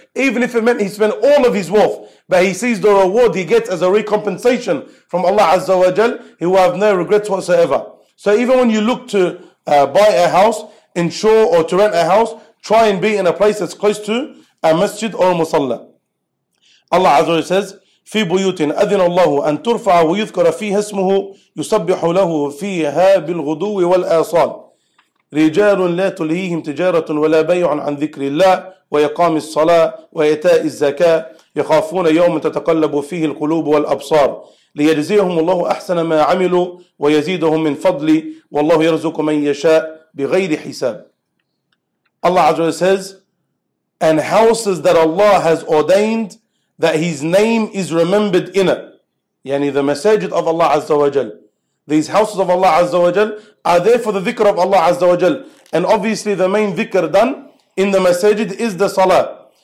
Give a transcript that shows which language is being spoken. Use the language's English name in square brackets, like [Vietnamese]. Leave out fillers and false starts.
[English] Even if it meant he spent all of his wealth, but he sees the reward he gets as a recompensation from Allah Azza wa Jal, he will have no regrets whatsoever. So even when you look to buy a house, ensure or to rent a house, try and be in a place that's close to a masjid or a musalla. Allah Azza wa Jal says, [Arabic] في بيوت أذن الله أن ترفع ويذكر فيها اسمه يسبح له فيها بالغدو والآصال رجال لا تلهيهم تجارة ولا بيع عن ذكر الله ويقام الصلاة وإيتاء الزكاة يخافون يوم تتقلب فيه القلوب والأبصار ليجزيهم الله أحسن ما عملوا ويزيدهم من فضله والله يرزق من يشاء بغير حساب. [English] Allah Azza wa Jalla says, and houses that Allah has ordained that His name is remembered in it. Yani the masajid of Allah Azza wa Jal. These houses of Allah Azza wa Jal are there for the dhikr of Allah Azza wa Jal. And obviously the main dhikr done in the masajid is the salah.